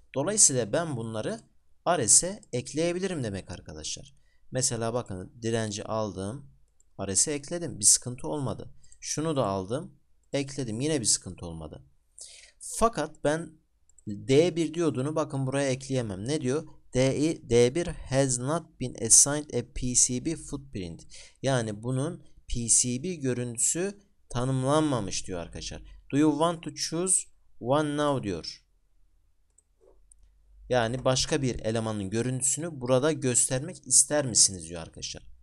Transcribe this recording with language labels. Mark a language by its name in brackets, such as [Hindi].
[Turkish] Dolayısıyla ben bunları Ares'e ekleyebilirim demek arkadaşlar. Mesela bakın direnci aldım. Ares'e ekledim. Bir sıkıntı olmadı. Şunu da aldım. Ekledim. Yine bir sıkıntı olmadı. Fakat ben D1 diyodunu bakın buraya ekleyemem. Ne diyor? [English] D1 has not been assigned a PCB footprint. [Turkish] Yani bunun PCB görüntüsü tanımlanmamış diyor arkadaşlar. [English] Do you want to choose one now [Turkish] diyor. Yani başka bir elemanın görüntüsünü burada göstermek ister misiniz diyor arkadaşlar.